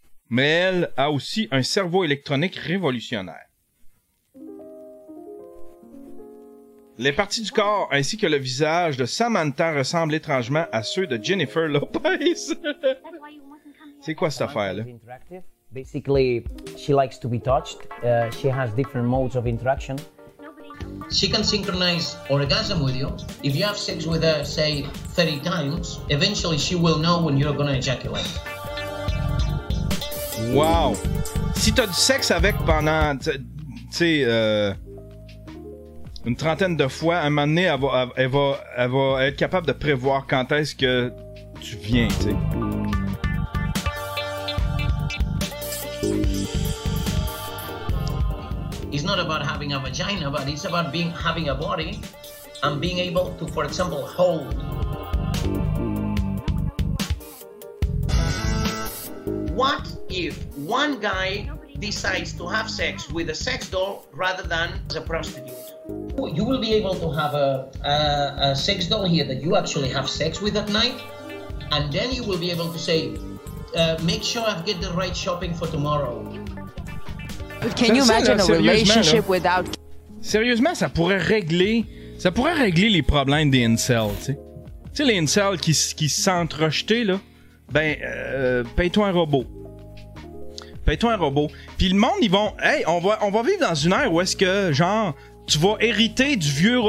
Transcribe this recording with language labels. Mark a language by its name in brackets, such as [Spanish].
[French] Mais elle a aussi un cerveau électronique révolutionnaire. Les parties du corps ainsi que le visage de Samantha ressemblent étrangement à ceux de Jennifer Lopez. C'est quoi cette affaire-là? [English] Basically, she likes to be touched. She has different modes of interaction. She can synchronize orgasm with you. If you have sex with her, say, 30 times, eventually she will know when you're going to ejaculate. Wow! [French] Si t'as du sexe avec pendant, tu sais, une trentaine de fois, à un moment donné, elle va être capable de prévoir quand est-ce que tu viens, tu sais. [English] It's not about having a vagina, but it's about being having a body and being able to, for example, hold. What if one guy decides to have sex with a sex doll rather than as a prostitute? You will be able to have a sex doll here that you actually have sex with at night, and then you will be able to say, make sure I get the right shopping for tomorrow. Can you imagine a relationship without... [French] Sérieusement, ça pourrait régler les problèmes des incels, tu sais, les incels qui se sentent rejetés, là, ben, paye-toi un robot. Paye-toi un robot. Puis le monde, ils vont... Hey, on va vivre dans une ère où est-ce que, genre, tu vas hériter du vieux...